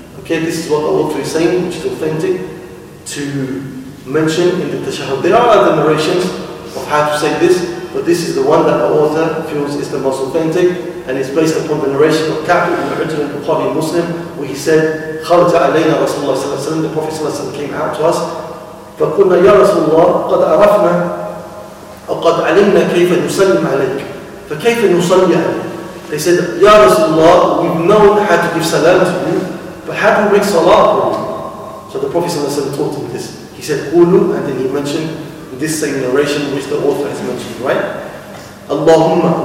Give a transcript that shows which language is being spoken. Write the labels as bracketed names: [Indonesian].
[English] Okay, this is what the author is saying, which is authentic to mention in the tashahhud. There are other narrations of how to say this, but this is the one that the author feels is the most authentic, and it's based upon the narration of Ka'b ibn Ujrah al-Bukhari Muslim, where he said, [Arabic] خرج علينا رسول الله صلى الله عليه وسلم. [English] The Prophet صلى الله عليه وسلم came out to us. [Arabic] فقلنا يا رسول الله قد عرفنا أو قد علمنا كيف نسلم عليك. فكيف نصلي عليك؟ [English] They said, [Arabic] يا رسول الله, [English] we've known how to give salam to you, but how do we make salah? So the Prophet صلى الله عليه وسلم taught him this. He said, قولوا, and then he mentioned this same narration which the author has mentioned, right? [Arabic] اللهم.